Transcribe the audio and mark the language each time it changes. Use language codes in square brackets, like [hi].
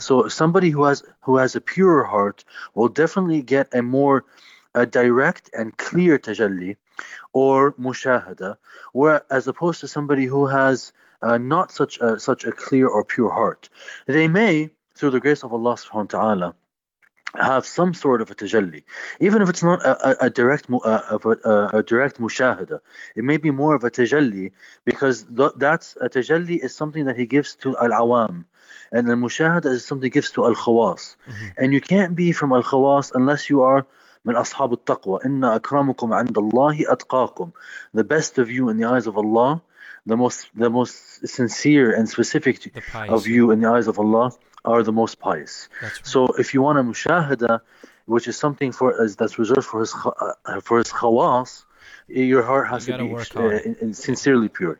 [en] So somebody who has a purer heart will definitely get a more direct and clear tajalli or mushahada, where as opposed to somebody who has not such a clear or pure heart, they may, through the grace of Allah subhanahu wa ta'ala, have some sort of a tajalli, even if it's not a direct mushahada. It may be more of a tajalli, because that's a tajalli is something that he gives to al-awam, and al-mushahada is something he gives to al-khawas. And you can't be from al-khawas unless you are [ar] من أصحاب التقوى. إن أكرمكم عند الله أتقاكم. [en] The best of you in the eyes of Allah, the most sincere and specific of you in the eyes of Allah, are the most pious. Right. So if you want a mushahada, which is something for that's reserved for his khawas, your heart has to be sincerely pure.